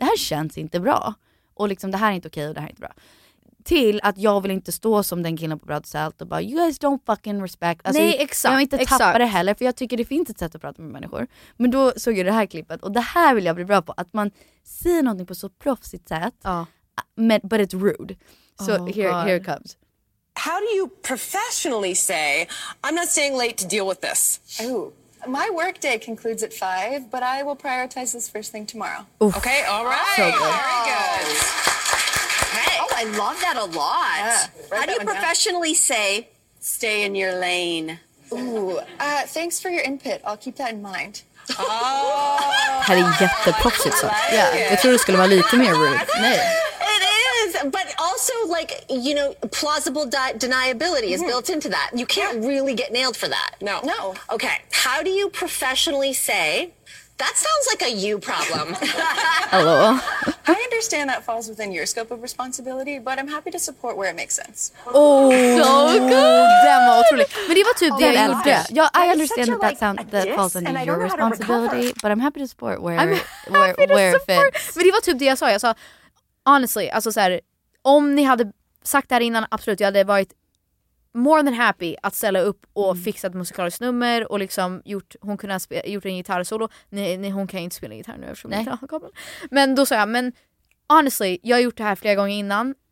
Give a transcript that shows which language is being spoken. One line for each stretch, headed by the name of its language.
Swedish: Det här känns inte bra. Och liksom, det här är inte okej och det här är inte bra. Till att jag vill inte stå som den killen på Bradsalt och bara,
English: you guys don't fucking respect.
Swedish: Alltså, nej, exakt. Jag vill inte tappa det heller, för jag tycker det finns ett sätt att prata med människor. Men då såg jag det här klippet, och det här vill jag bli bra på. Att man säger någonting på så proffsigt sätt,
English: but it's rude. So here it comes. How do you professionally say, I'm not staying late to deal with this? Ooh. My work day concludes at 5, but I will prioritize this first thing tomorrow. Oof. Okay, all right. So good. Very good. I love that a lot. Yeah, how do you professionally say, stay in your lane? Ooh, thanks for your input. I'll keep that in mind. Oh.
Swedish: Det här är jätteproffsigt så.
English: Yeah.
Swedish: Jag tror det skulle vara lite mer rude. Nej.
English: It is, but also like, you know, plausible deniability is built into that. You can't really get nailed for that. No. No. Okay, how do you professionally say, that sounds like a you problem. Hello. I understand that falls within your scope of responsibility, but I'm happy to support where it makes sense. Oh, so good.
Swedish: Den var otrolig. Men det var typ det jag gjorde.
English: Yeah, I understand that that falls under your responsibility, but I'm happy to support where it fits.
Swedish: Men det var typ det jag sa. Jag sa, honestly, alltså så här, om ni hade sagt det här innan, absolut, jag hade varit
English: more than happy
Swedish: att ställa upp och fixa ett musikaliskt nummer och liksom gjort, hon kunde ha gjort en gitarrsolo. Nej, hon kan inte spela gitarr nu eftersom nej. Men då sa jag, men honestly, jag har gjort det här flera gånger innan.